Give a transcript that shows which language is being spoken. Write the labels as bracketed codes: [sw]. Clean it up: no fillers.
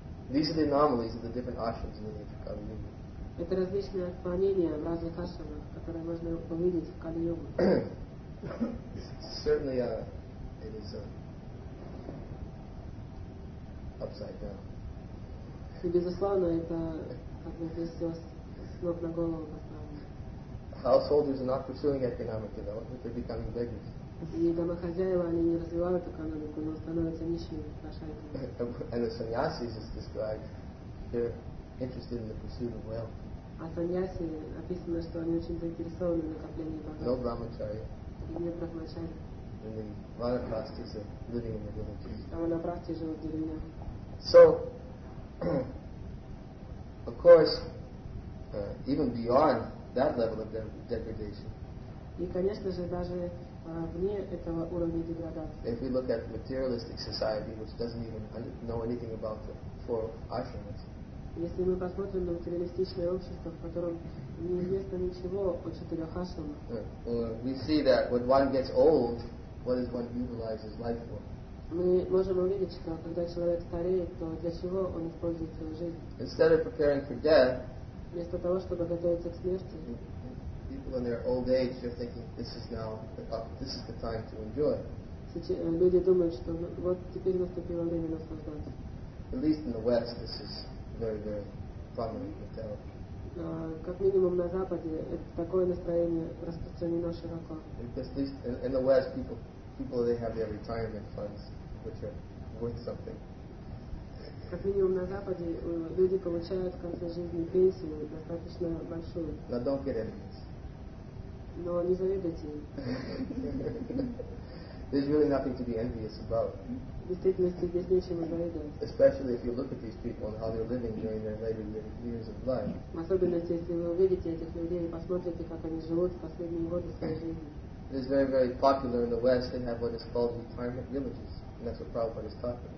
[en] These are the anomalies of the different ashrams in the age of Kali Yuga. [ru] Это различные отклонения в разных ашрамах, которые можно увидеть в Кали Йогу. [en] Certainly, it is upside down. [ru] И безусловно, это как бы все с ног на голову поставлено. [en] Householders are not pursuing economic development; they're becoming beggars. [ru] И домохозяева, они не развивают экономику, но становятся нищими, прошайками. [en] And the sannyasis is described, they're interested in the pursuit of wealth. [ru] А саньяси описано, что они очень заинтересованы в накоплении богатства. [en] No brahmacharya. [ru] И не брахмачари. [en] And the vanaprastis are living in the villages. [ru] А ванапрасти живут в деревнях. [en] So, of course, even beyond that level of degradation. [ru] И, конечно же, даже вне этого уровня деградации. [en] If we look at materialistic society, which doesn't even know anything about the four ashrams. [ru] Если мы посмотрим на материалистичное общество, в котором не известно ничего о четырех ашрамах. [en] We see that when one gets old, what is one utilizes life for? [ru] Мы можем увидеть, что когда человек стареет, то для чего он использует свою жизнь? [en] Instead of preparing for death. [ru] Вместо того, чтобы готовиться к смерти. [en] People in their old age, they're thinking, this is now, this is the time to enjoy. [ru] Люди думают, что вот теперь наступило время наслаждаться. [en] At least in the West, this is very, very prominent mentality. [ru] Как минимум на Западе это такое настроение распространено широко. [en] Because at least in the West, people they have their retirement funds, which are worth something. [ru] Как минимум на Западе люди получают в конце жизни пенсию достаточно большую. [en] Now don't get any. [ru] Но не завидуйте. [en] There's really nothing to be envious about. [ru] Действительности здесь нечему завидовать. [en] Especially if you look at these people and how they're living during their later years of life. [ru] Особенно если вы увидите этих людей и посмотрите, как они живут в последние годы своей жизни. [en] It is very, very popular in the West. They have what is called retirement villages, and that's what Prabhupada is talking.